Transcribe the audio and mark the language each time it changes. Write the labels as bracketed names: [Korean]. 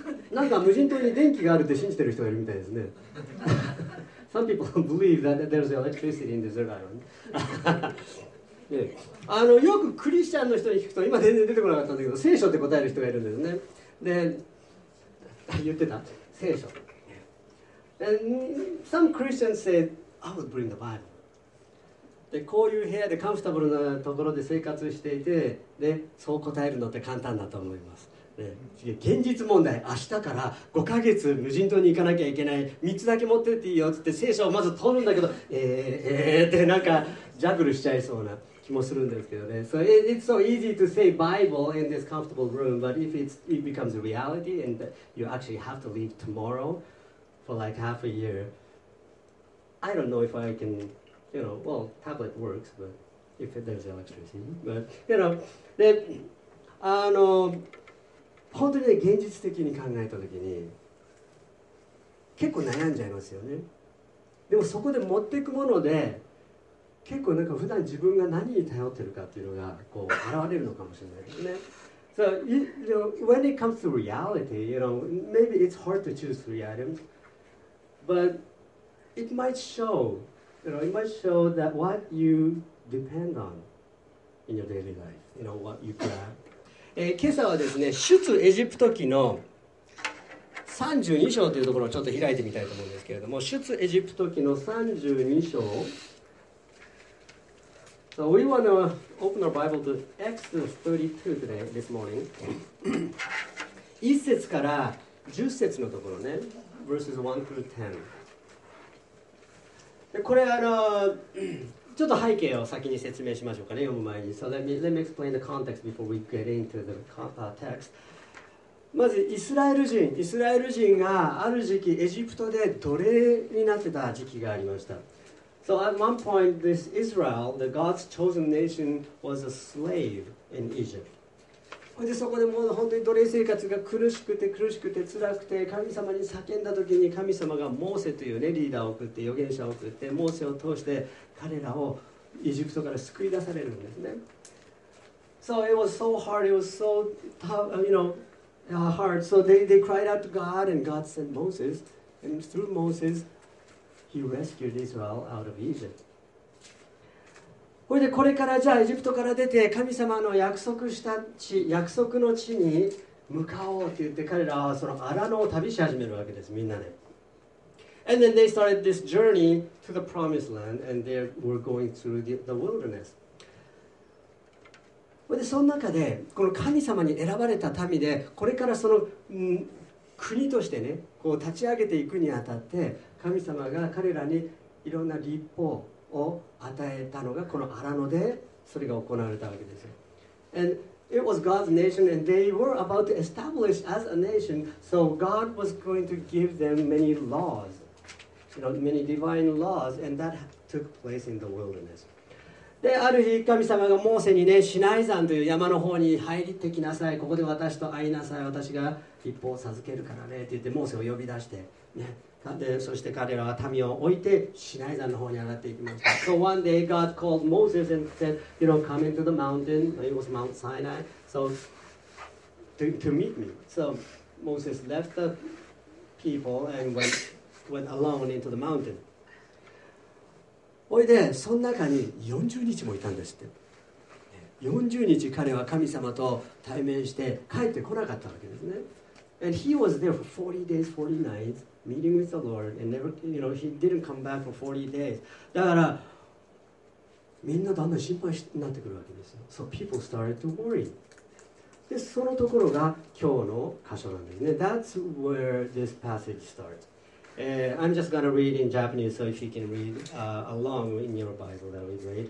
[Japanese] なんか無人島に電気があるって信じてる人がいるみたいですね。 [English] Some people believe that there's electricity in the desert island. [Japanese] よくクリスチャンの人に聞くと、今全然出てこなかったんだけど、聖書って答える人がいるんですね。で、言ってた聖書。 [English] And some Christians say, I would bring the Bible. [Japanese] で、こういう部屋でカンフタブルなところで生活していて、で、そう答えるのって簡単だと思います。ね、現実問題、明日から5ヶ月無人島に行かなきゃいけない、3つだけ持ってっていいよって聖書をまず取るんだけど、ってなんかジャグルしちゃいそうな気もするんですけどね。 [English] So it's so easy to say Bible in this comfortable room, but if it becomes a reality and you actually have to leave tomorrow for like half a year, I don't know if I can, you know, well, tablet works, but if there's electricity, but you know, [Japanese] で、本当に、ね、現実的に考えたときに結構悩んじゃいますよね。でもそこで持っていくもので結構なんか普段自分が何に頼ってるかっていうのがこう現れるのかもしれないですね。 [English] So you know, when it comes to reality, you know, maybe it's hard to choose three items, but it might show, you know, it might show that what you depend on in your daily life, you know, what you grab. [Japanese] 今朝はですね、出エジプト記の32章というところをちょっと開いてみたいと思うんですけれども、出エジプト記の32章。 [English] So we want to open our Bible to Exodus 32 today, this morning. [Japanese] 1節から10節のところね、 [English] Verses 1 through 10。 [Japanese] でこれちょっと背景を先に説明しましょうかね、読む前に。 [English] So let me explain the context before we get into the context. [Japanese] まずイスラエル人がある時期エジプトで奴隷になってた時期がありました。 [English] So at one point this Israel, the God's chosen nation, was a slave in Egypt. [Japanese] でそこでもう本当に奴隷生活が苦しくて辛くて、神様に叫んだ時に神様がモーセという、ね、リーダーを送って、預言者を送ってモーセを通して彼らをエジプトから救い出されるんですね。 [English] So it was so hard, it was so tough, you know, hard. So they cried out to God, and God sent Moses, and through Moses, he rescued Israel out of Egypt. [Japanese] これからじゃあエジプトから出て神様の約束した地、約束の地に向かおうって言って、彼らはその荒野を旅し始めるわけです、みんなで。 [English] And then they started this journey to the promised land, and they were going through the wilderness. [Japanese] で、その中で、この神様に選ばれた民で、これからその、国としてね、こう立ち上げていくにあたって、神様が彼らにいろんな律法を与えたのが、この荒野で、それが行われたわけですよ。 [English] And it was God's nation, and they were about to establish as a nation, so God was going to give them many laws. You know, many divine laws, and that took place in the wilderness. [Japanese] で、ある日神様がモーセにね、シナイ山という山の方に入ってきなさい、ここで私と会いなさい、私が律法を授けるからねって言ってモーセを呼び出して、ね、でそして彼らは民を置いてシナイ山の方に上がっていきました。 [English] So one day God called Moses and said, you know, come into the mountain, it was Mount Sinai, so to meet me. So Moses left the people and went alone into the mountain. [Japanese] おいで、その中に40日もいたんですって。40日彼は神様と対面して帰ってこなかったわけですね。 [English] And he was there for 40 days, 40 nights meeting with the Lord and never, you know, he didn't come back for 40 days. [Japanese] だからみんなだんだん心配になってくるわけですよ。 [English] So people started to worry. [Japanese] で、そのところが今日の箇所なんですね。 [English] That's where this passage starts. I'm just going to read in Japanese, so if you can read along in your Bible, that would be great.